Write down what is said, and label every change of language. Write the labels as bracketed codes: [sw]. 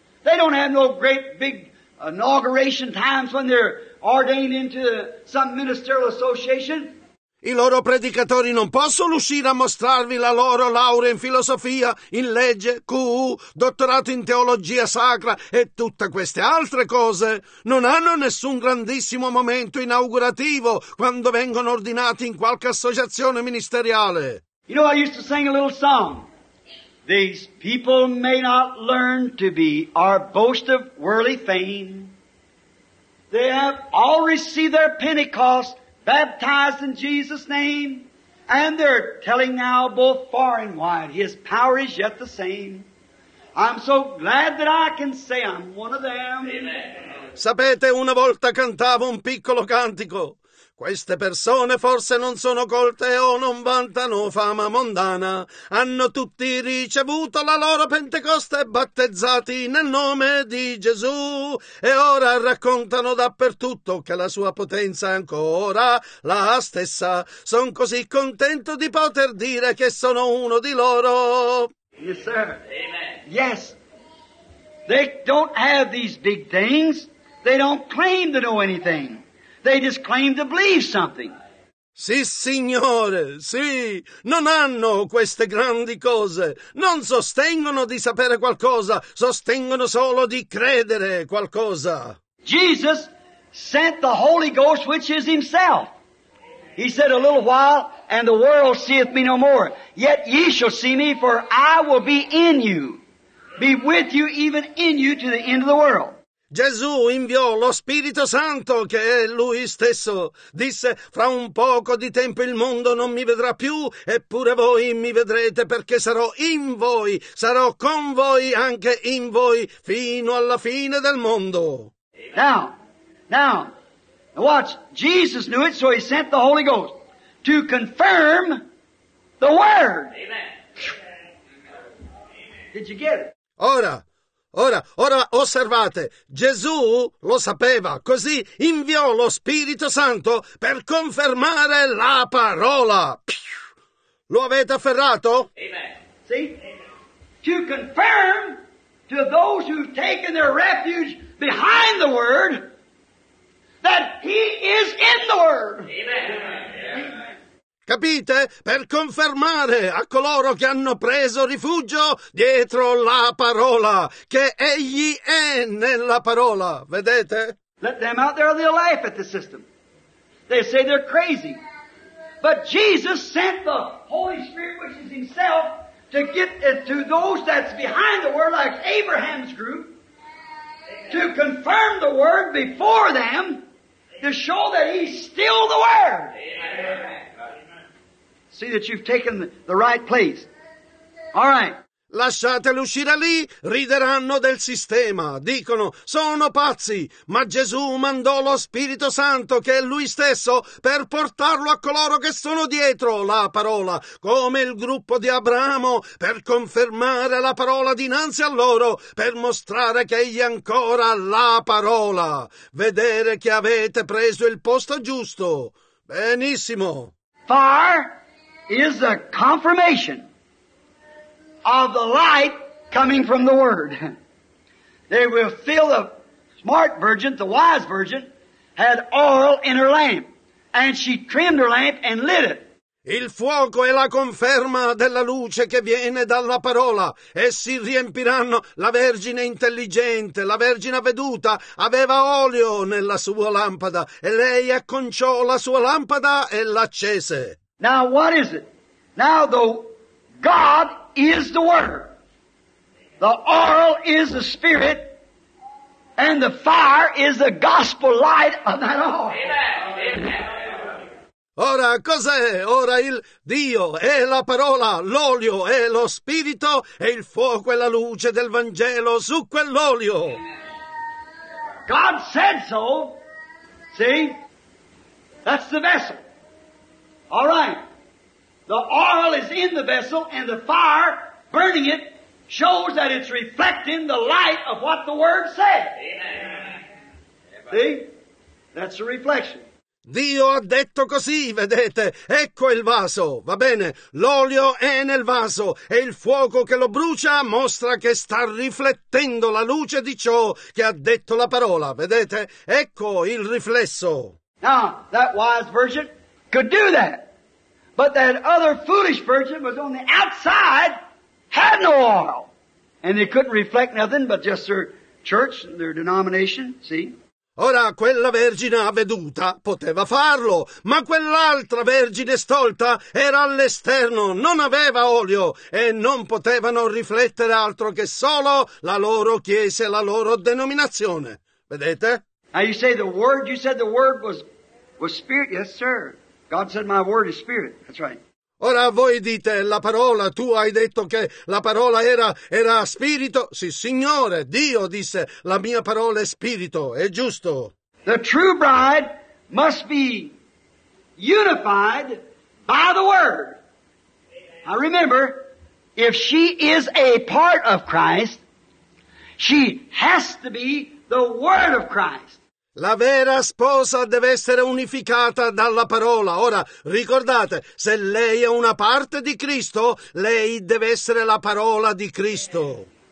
[en] They don't have no great big inauguration times when they're ordained into some ministerial association. [it] I loro predicatori non possono uscire a mostrarvi la loro laurea in filosofia, in legge, QU, dottorato in teologia sacra e tutte queste altre cose. Non hanno nessun grandissimo momento inaugurativo quando vengono ordinati in qualche associazione ministeriale. [en] You know, I used to sing a little song. These people may not learn to be our boast of worldly fame. They have all received their Pentecost, baptized in Jesus' name, and they're telling now both far and wide, His power is yet the same. I'm so glad that I can say I'm one of them. Amen. [it] Sapete, una volta cantavo un piccolo cantico. Queste persone forse non sono colte o non vantano fama mondana. Hanno tutti ricevuto la loro Pentecoste, battezzati nel nome di Gesù. E ora raccontano dappertutto che la sua potenza è ancora la stessa. Sono così contento di poter dire che sono uno di loro. [en] Yes, sir. Amen. Yes. They don't have these big things. They don't claim to know anything. They just claim to believe something. [it] Sì, signore, sì. Non hanno queste grandi cose. Non sostengono di sapere qualcosa. Sostengono solo di credere qualcosa. [en] Jesus sent the Holy Ghost, which is Himself. He said, a little while, and the world seeth me no more. Yet ye shall see me, for I will be in you. Be with you, even in you, to the end of the world. [it] Gesù inviò lo Spirito Santo, che è Lui stesso. Disse, fra un poco di tempo il mondo non mi vedrà più, eppure voi mi vedrete, perché sarò in voi, sarò con voi, anche in voi, fino alla fine del mondo. [en] Now, watch, Jesus knew it, so He sent the Holy Ghost to confirm the Word. Amen. Did you get it? [it] Ora, osservate, Gesù lo sapeva, così inviò lo Spirito Santo per confermare la parola. Lo avete afferrato? [en] Amen. See? Amen. To confirm to those who've taken their refuge behind the Word that He is in the Word. Amen. Amen. [it] Capite? Per confermare a coloro che hanno preso rifugio dietro la parola, che Egli è nella parola, vedete? [en] Let them out there, they'll laugh at the system. They say they're crazy. But Jesus sent the Holy Spirit, which is Himself, to get to those that's behind the Word, like Abraham's group, confirm the word before them to show that he's still the word. Amen. See that you've taken the right place. All right. [it] Lasciateli uscire lì, rideranno del sistema. Dicono, sono pazzi, ma Gesù mandò lo Spirito Santo, che è Lui stesso, per portarlo a coloro che sono dietro la parola, come il gruppo di Abramo, per confermare la parola dinanzi a loro, per mostrare che egli è ancora la parola. Vedere che avete preso il posto giusto. Benissimo. [en] Far is a confirmation of the light coming from the Word. They will fill the smart virgin, the wise virgin, had oil in her lamp, and she trimmed her lamp and lit it. [it] Il fuoco è la conferma della luce che viene dalla parola. Essi riempiranno. La vergine intelligente, la vergine veduta, aveva olio nella sua lampada, e lei acconciò la sua lampada e l'accese. [en] Now what is it? Now the God is the Word. The oil is the Spirit, and the fire is the gospel light of that oil. Amen. [it] Ora cos'è? Ora il Dio è la parola, l'olio è lo Spirito, e il fuoco è la luce del Vangelo su quell'olio. [en] God said so. See? That's the vessel. All right. The oil is in the vessel, and the fire burning it shows that it's reflecting the light of what the Word said. Amen. See? That's a reflection. [it] Dio ha detto così, vedete, ecco il vaso, va bene, l'olio è nel vaso, e il fuoco che lo brucia mostra che sta riflettendo la luce di ciò che ha detto la parola, vedete, ecco il riflesso. [en] Now, that wise virgin could do that. But that other foolish virgin was on the outside, had no oil. And they couldn't reflect nothing but just their church and their denomination, see? [it] Ora, quella vergine avveduta poteva farlo, ma quell'altra vergine stolta era all'esterno, non aveva olio, e non potevano riflettere altro che solo la loro chiesa e la loro denominazione. Vedete? [en] Now you say the word, you said the word was spirit, yes sir. God said my word is spirit. That's right. [it] Ora voi dite la parola, tu hai detto che la parola era spirito. Sì, Signore, Dio disse la mia parola è spirito, è giusto. [en] The true bride must be unified by the word. Now remember, if she is a part of Christ, she has to be the word of Christ. [it] La vera sposa deve essere unificata dalla parola. Ora, ricordate, se lei è una parte di Cristo, lei deve essere la parola di Cristo.